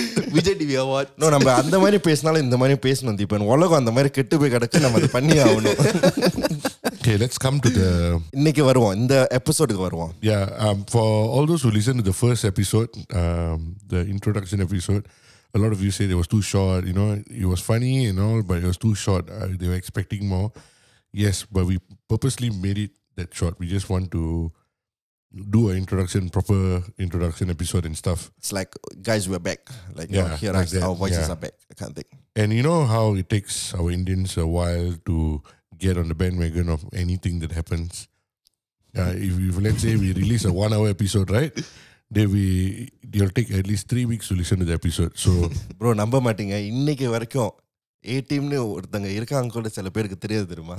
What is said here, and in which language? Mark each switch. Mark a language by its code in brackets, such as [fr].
[ta] No, நம்ம அந்த மாதிரி பேசினாலும் இந்த மாதிரி பேசணும் தீபன் உலகம் அந்த மாதிரி கெட்டு போய் கிடக்கு நம்ம அதை பண்ணி ஆகணும் [en] Okay, let's come to the... [ta] இன்னைக்கு வருவோம் இந்த எபிசோடுக்கு வருவோம் [en] Yeah, for all those who listen to the first episode, the introduction episode, a lot of you say it was too short, you know, it was funny and all, but it was too short. They were expecting more. Yes, but we purposely made it that short. We just want to... do an introduction, proper introduction episode and stuff. It's like, guys, we're back. Like, yeah, you know, hear like us, that. Our voices yeah. are back. I can't think. And you know how it takes our Indians a while to get on the bandwagon of anything that happens? If let's say we release a 1 hour episode, right? They'll take at least 3 weeks to listen to the episode. So, [ta] bro, number mating, innaikku varaikkum. A-team-னு ஒருத்தங்க இருக்காங்க கூட சில பேருக்கு தெரியாது தெரியுமா